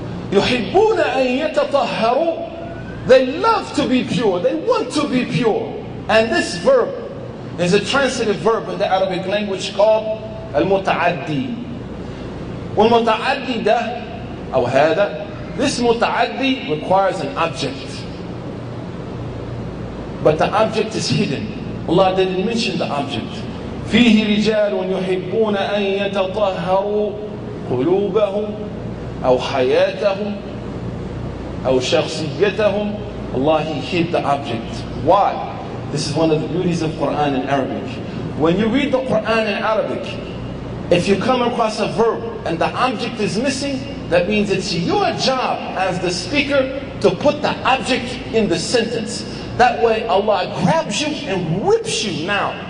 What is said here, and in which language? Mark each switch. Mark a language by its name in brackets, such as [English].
[Arabic] yuhibbuna an yatatahharu [English] they love to be pure they want to be pure and this verb is a transitive verb in the Arabic language called al-mutaaddi wal-mutaaddi da aw hada this mutaaddi requires an object But the object is hidden. Allah didn't mention the object. [Arabic] فِيهِ رِجَالٌ يُحِبُّونَ أَن يَتَطَهَّرُوا قُلُوبَهُمْ أَوْ حَيَاتَهُمْ أَوْ شَخْصِيَّتَهُمْ [English] Allah, He hid the object. Why? This is one of the beauties of Quran in Arabic. When you read the Quran in Arabic, if you come across a verb and the object is missing, that means it's your job as the speaker to put the object in the sentence. That way Allah grabs you and rips you now.